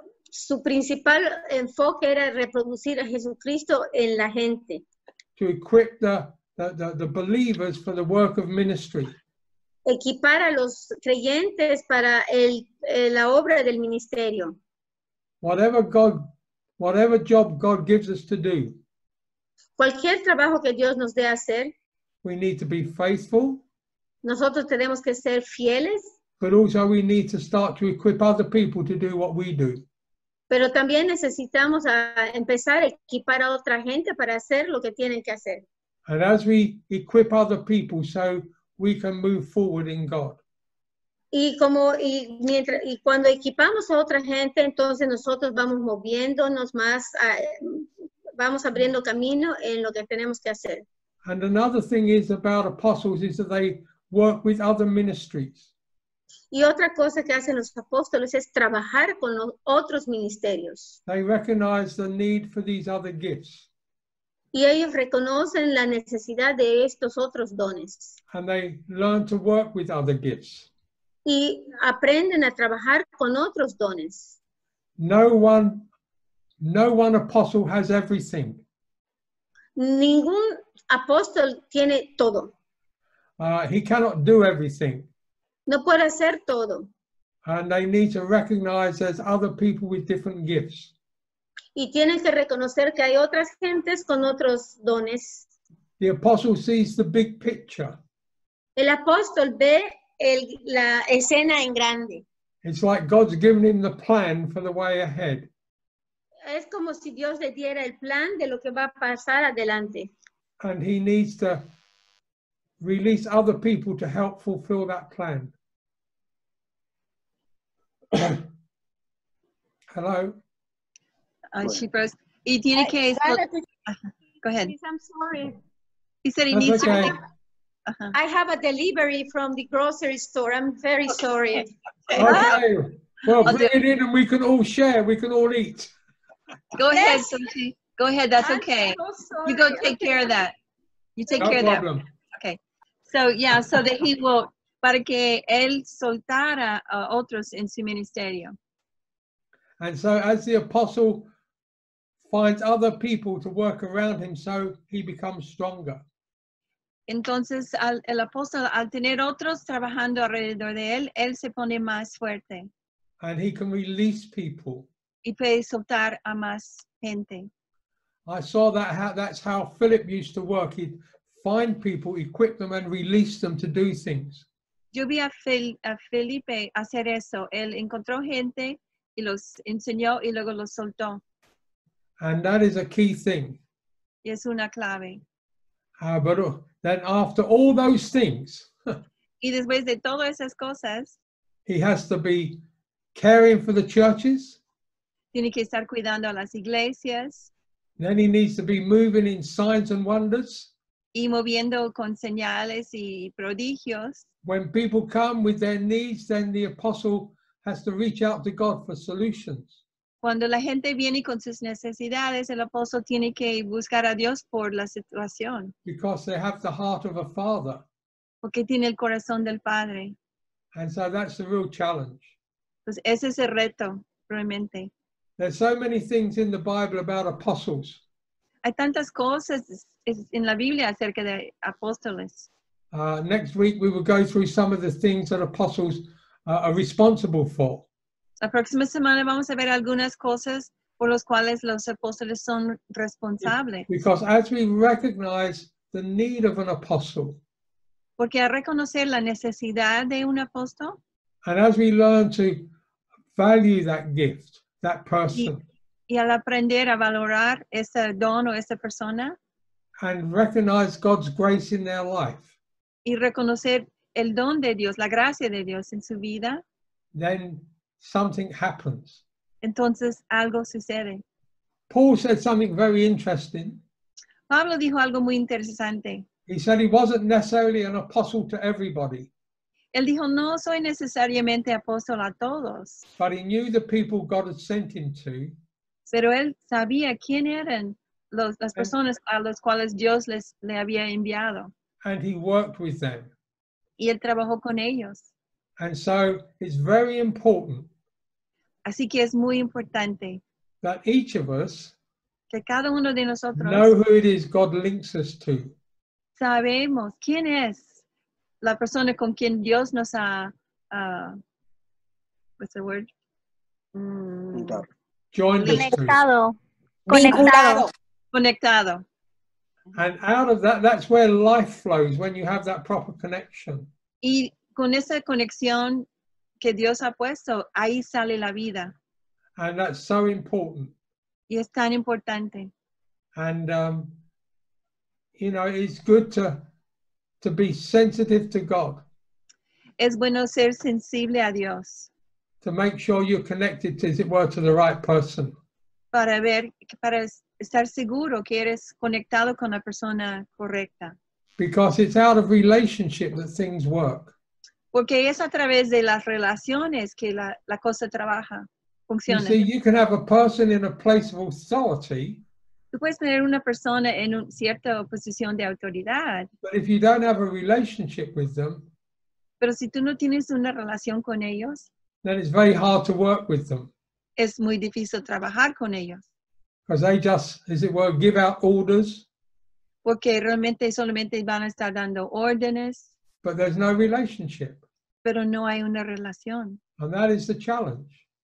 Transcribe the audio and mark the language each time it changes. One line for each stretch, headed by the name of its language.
Spanish: Su principal enfoque era reproducir a Jesucristo en la gente.
English: To equip the believers for the work of ministry.
Spanish: Equipar a los creyentes para la obra del ministerio.
English: Whatever job God gives us to do.
Spanish: Cualquier trabajo que Dios nos dé hacer.
English: We need to be faithful.
Spanish: Nosotros tenemos que ser fieles.
English: But also we need to start to equip other people to do what we do.
Spanish: Pero también necesitamos a empezar a equipar a otra gente para hacer lo que tienen que hacer.
English: And as we equip other people so we can move forward in God.
Spanish: Y cuando equipamos a otra gente, entonces nosotros vamos moviéndonos más, vamos abriendo camino en lo que tenemos que hacer.
English: And another thing is about apostles is that they work with other ministries.
Spanish: Y otra cosa que hacen los apóstoles es trabajar con los otros ministerios.
English: They recognize the need for these other gifts.
Spanish: Y ellos reconocen la necesidad de estos otros dones.
English: And they learn to work with other gifts.
Spanish: Y aprenden a trabajar con otros dones.
English: No one apostle has everything.
Spanish: Ningún apóstol tiene todo.
English: He cannot do everything.
Spanish: No puede hacer todo.
English: And they need to recognize there's other people with different gifts.
Spanish: Y tienen que reconocer que hay otras gentes con otros dones.
English: The apostle sees the big picture.
Spanish: El apóstol ve el, la escena en grande.
English: It's like God's given him the plan for the way ahead.
Spanish: Es como si Dios le diera el plan de lo que va a pasar adelante.
English: And he needs to release other people to help fulfill that plan. Hello. Chipros. He
Spanish: tiene que.
English: Go ahead. I'm sorry. He said he That's needs okay. to. Uh-huh. I have a delivery from the grocery store. I'm very sorry. Okay. Well, bring it in and we can all share. We can all eat. Go ahead, Sochi. Go ahead. That's okay. So you go take care of that. You take no care problem. Of that. Okay. So, yeah, so that he will,
Spanish: para que él soltara a otros en su ministerio.
English: And so as the apostle finds other people to work around him, so he becomes stronger.
Spanish: Entonces, el apóstol, al tener otros trabajando alrededor de él, él se pone más fuerte.
English: And he can release people.
Spanish: Y puede soltar a más gente.
English: I saw that that's how Philip used to work. He'd find people, equip them, and release them to do things.
Spanish: Yo vi a Felipe hacer eso. Él encontró gente y los enseñó y luego los soltó.
English: And that is a key thing.
Spanish: Y es una clave.
English: Then after all those things,
Spanish: y después de todas esas cosas,
English: he has to be caring for the churches.
Spanish: Tiene que estar cuidando a las iglesias.
English: Then he needs to be moving in signs and wonders.
Spanish: Y moviendo con señales y prodigios.
English: When people come with their needs, then the apostle has to reach out to God for solutions.
Spanish: Cuando la gente viene con sus necesidades, el apóstol tiene que buscar a Dios por la situación.
English: Because they have the heart of a father.
Spanish: Porque tiene el corazón del padre.
English: And so that's the real challenge.
Spanish: Pues ese es el reto, realmente.
English: There's so many things in the Bible about apostles.
Spanish: Hay tantas cosas en la Biblia acerca de apóstoles.
English: Next week we will go through some of the things that apostles are responsible for.
Spanish: La próxima semana vamos a ver algunas cosas por las cuales los apóstoles son responsables.
English: Because as we recognize the need of an apostle.
Spanish: Porque al reconocer la necesidad de un apóstol.
English: And as we learn to value that gift, that person.
Spanish: Y al aprender a valorar ese don o esa persona.
English: And recognize God's grace in their life.
Spanish: Y reconocer el don de Dios, la gracia de Dios en su vida.
English: Then something happens.
Spanish: Entonces, algo sucede.
English: Paul said something very interesting.
Spanish: Pablo dijo algo muy interesante.
English: He said he wasn't necessarily an apostle to everybody.
Spanish: Él dijo, no soy necesariamente apóstol a todos.
English: But he knew the people God had sent him to.
Spanish: Pero él sabía quién eran las personas a las cuales Dios le había enviado.
English: And he worked with them.
Spanish: Y él trabajó con ellos.
English: And so it's very important.
Spanish: Así que es muy importante
English: that each of us
Spanish: que cada uno de nosotros
English: know who it is God links us to.
Spanish: Sabemos quién es la persona con quien Dios nos ha
English: what's the word? Joined us to.
Spanish: Conectado.
English: And out of that, that's where life flows when you have that proper connection.
Spanish: Con esa conexión que Dios ha puesto, ahí sale la vida.
English: And that's so important.
Spanish: Y es tan importante.
English: And, you know, it's good to be sensitive to God.
Spanish: Es bueno ser sensible a Dios.
English: To make sure you're connected, to, as it were, to the right person.
Spanish: Para estar seguro que eres conectado con la persona correcta.
English: Because it's out of relationship that things work.
Spanish: Porque es a través de las relaciones que la cosa trabaja, funciona.
English: You see, you can have a person in a place of authority.
Spanish: Tú puedes tener una persona en una cierta posición de autoridad.
English: But if you don't have a relationship with them.
Spanish: Pero si tú no tienes una relación con ellos.
English: Then it's very hard to work with them.
Spanish: Es muy difícil trabajar con ellos.
English: Because they just, as it were, give out orders.
Spanish: Porque realmente solamente van a estar dando órdenes.
English: But there's no relationship.
Spanish: Pero no hay una relación.
English: And that is the challenge.